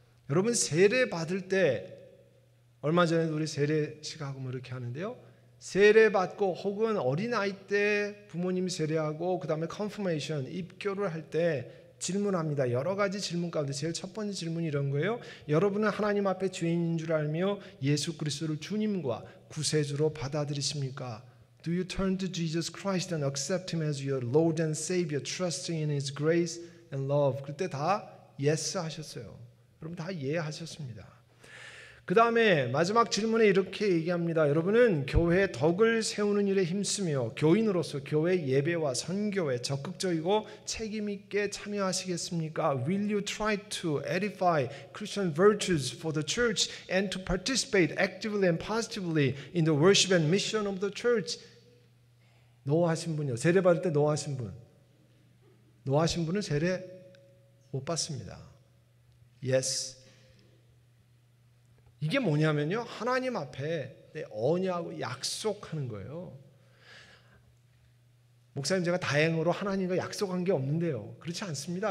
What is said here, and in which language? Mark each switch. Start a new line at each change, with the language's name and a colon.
Korean: 여러분 세례 받을 때, 얼마 전에 우리 세례식 하고 뭐 이렇게 하는데요, 세례받고 혹은 어린아이 때 부모님 세례하고 그 다음에 컨퍼메이션 입교를 할 때 질문합니다. 여러 가지 질문 가운데 제일 첫 번째 질문이 이런 거예요. 여러분은 하나님 앞에 죄인인 줄 알며 예수 그리스도를 주님과 구세주로 받아들이십니까?
English: Do you turn to Jesus Christ and accept him as your Lord and Savior, trusting in his grace and love?
Korean: 그때 다 yes 하셨어요. 여러분 다 예 하셨습니다. 그 다음에 마지막 질문에 이렇게 얘기합니다. 여러분은 교회 덕을 세우는 일에 힘쓰며 교인으로서 교회 예배와 선교에 적극적이고 책임 있게 참여하시겠습니까?
English: Will you try to edify Christian virtues for the church and to participate actively and positively in the worship and mission of the church?
Korean: 노하신 분이요. 세례 받을 때 노하신 분. 노하신 분은 세례 못 받습니다.
English: Yes.
Korean: 이게 뭐냐면요. 하나님 앞에 내 언약하고 약속하는 거예요. 목사님 제가 다행으로 하나님과 약속한 게 없는데요. 그렇지 않습니다.